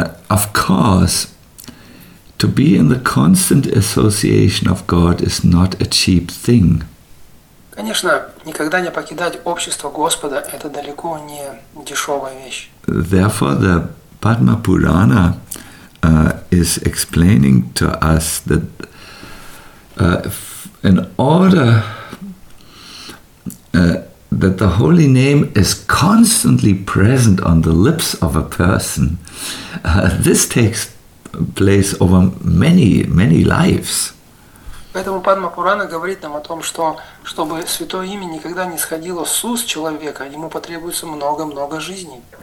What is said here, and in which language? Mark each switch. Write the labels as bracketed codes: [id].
[en] Of course, to be in the constant association of God is not a cheap thing. [ru] Конечно, никогда не покидать общество Господа – это далеко не дешевая вещь. [en] Therefore, the Padma Purana is explaining to us that in order that the holy name is constantly present on the lips of a person, this takes place over many, many lives. [ru] Поэтому Падма Пурана говорит нам о том, что чтобы святое имя никогда не сходило с уст человека, ему потребуется много-много жизней.